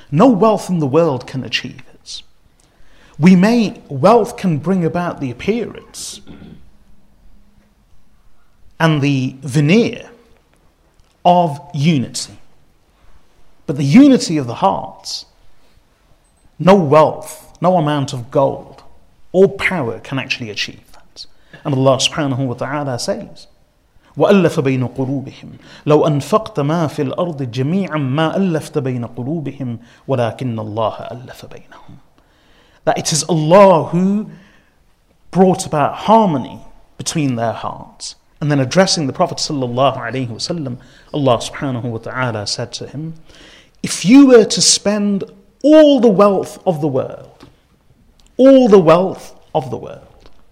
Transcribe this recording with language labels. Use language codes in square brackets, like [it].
[en] No wealth in the world can achieve this. Wealth can bring about the appearance and the veneer of unity. But the unity of the hearts, no wealth, no amount of gold or power can actually achieve. And Allah subhanahu wa ta'ala says, [ar] وَأَلَّفَ بَيْنَ قُلُوبِهِمْ لَوْ أَنْفَقْتَ مَا فِي الْأَرْضِ جَمِيعًا مَا أَلَّفْتَ بَيْنَ قُلُوبِهِمْ وَلَكِنَّ اللَّهَ أَلَّفَ بَيْنَهُمْ. [en] That it is Allah who brought about harmony between their hearts. And then addressing the Prophet sallallahu alayhi wa sallam, Allah subhanahu wa ta'ala said to him, if you were to spend all the wealth of the world, all the wealth of the world.